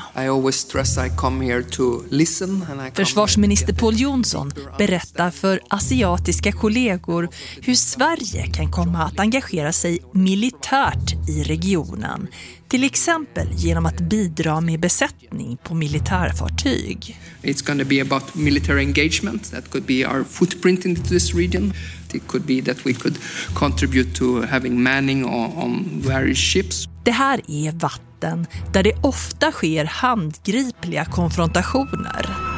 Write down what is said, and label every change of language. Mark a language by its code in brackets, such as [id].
[en] I always stress I come here to listen and I come. [sv] Försvarsminister Paul Jonsson berättar för asiatiska kollegor hur Sverige kan komma att engagera sig militärt i regionen, till exempel genom att bidra med besättning på militärfartyg. [en] It's going to be about military engagement. That could be our footprint in this region. It could be that we could contribute to having manning on various ships. [sv] Det här är vatten där det ofta sker handgripliga konfrontationer.